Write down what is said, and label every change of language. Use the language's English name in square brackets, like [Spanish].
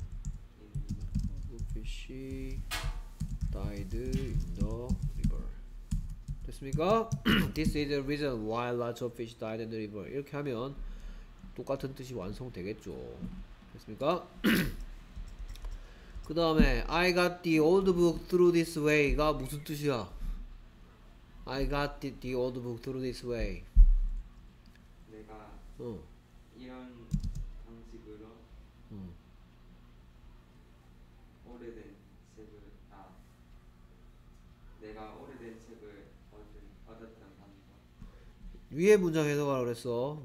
[English] why lots of fish died in the river. [Korean] 됐습니까? [English] This is the reason why lots of fish died in the river. [Korean] 이렇게 하면 똑같은 뜻이 완성되겠죠. 됐습니까? 그 다음에 [English] I got the old book through this way [Korean] 가 무슨 뜻이야? [English] I got the old book through this way. [Korean] 내가 이런 방식으로 오래된 책을 내가 오래된 책을 얻었던 방법. 위에 문장 해석하라고 그랬어.